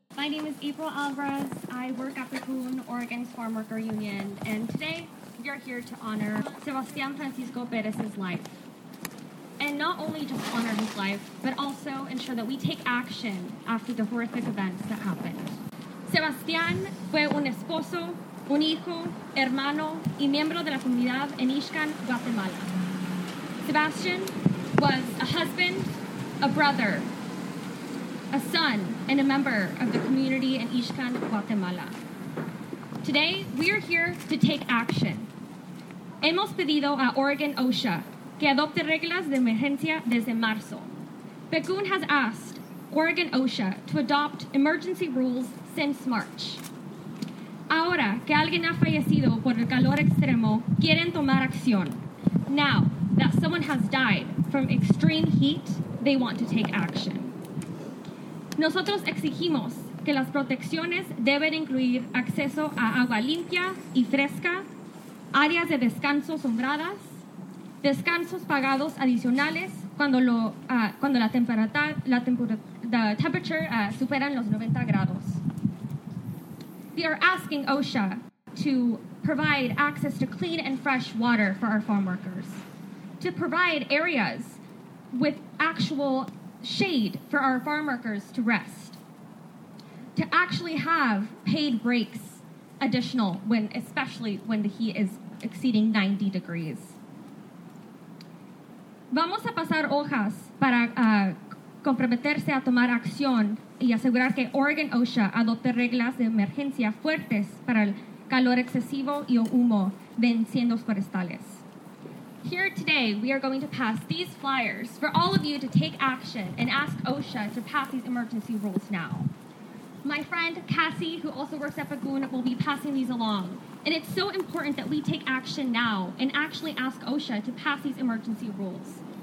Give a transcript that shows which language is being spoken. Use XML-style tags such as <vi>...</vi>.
<en>My name is April Alvarez. I work at PECUN, Oregon's Farm Worker Union, and today we are here to honor Sebastian Francisco Perez's life. And not only just honor his life, but also ensure that we take action after the horrific events that happened.</en> <es>Sebastian fue un esposo, un hijo, hermano, y miembro de la comunidad en Ixcan, Guatemala.</es> <en>Sebastian was a husband, a brother, a son, and a member of the community in Ixcan, Guatemala. Today, we are here to take action.</en> <es>Hemos pedido a Oregon OSHA que adopte reglas de emergencia desde marzo.</es> <en>PECUN has asked Oregon OSHA to adopt emergency rules since March.</en> <es>Ahora que alguien ha fallecido por el calor extremo, quieren tomar acción.</es> <en>Now that someone has died from extreme heat, they want to take action.</en> <es>Nosotros exigimos que las protecciones deben incluir acceso a agua limpia y fresca, áreas de descanso sombradas, descansos pagados adicionales cuando la temperatura superan los 90 grados.</es> <en>We are asking OSHA to provide access to clean and fresh water for our farm workers, to provide areas with actual shade for our farm workers to rest, to actually have paid breaks additional when, especially when the heat is exceeding 90 degrees.</en> <es>Vamos a pasar hojas para comprometerse a tomar acción y asegurar que Oregon OSHA adopte reglas de emergencia fuertes para el calor excesivo y el humo de incendios forestales.</es> <en>Here today, we are going to pass these flyers for all of you to take action and ask OSHA to pass these emergency rules now. My friend Cassie, who also works at PECUN, will be passing these along. And it's so important that we take action now and actually ask OSHA to pass these emergency rules.</en>